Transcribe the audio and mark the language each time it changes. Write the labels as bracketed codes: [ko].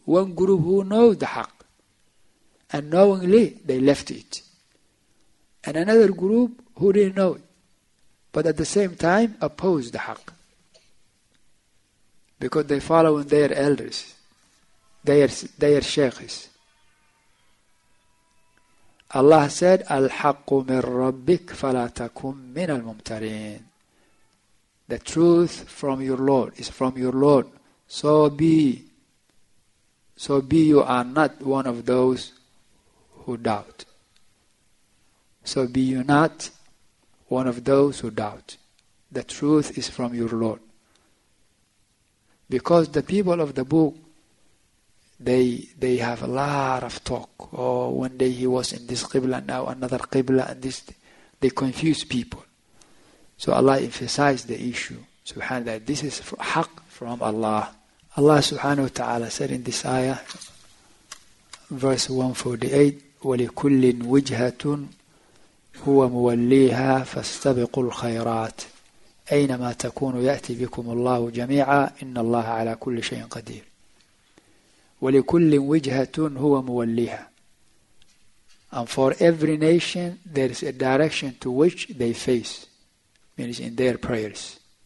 [en] One group who know the haq. And knowingly, they left it. And another group who didn't know it. But at the same time, opposed the haq. Because they following their elders. داير شيخس. [ar] الله said الحق من ربك فلا تكن من الممترين. [en] The truth from your Lord is from your Lord. So be you are not one of those who doubt. So be you not one of those who doubt. The truth is from your Lord. Because the people of the book, they have a lot of talk. Oh, one day he was in this Qibla, now another Qibla, and this, they confuse people. So Allah emphasized the issue, subhanahu wa ta'ala, this is haq from Allah. Allah subhanahu wa ta'ala said in this ayah, verse 148, [ar] وَلِكُلِّنْ وِجْهَةٌ هُوَ مُوَلِّيهَا فَاسْتَبِقُوا الْخَيْرَاتِ أينما تكونوا يأتي بكم الله جميعا إن الله على كل شيء قدير ولكل وجهة هو موليها. [en] And for every nation there is a direction to which they face, means in their prayers.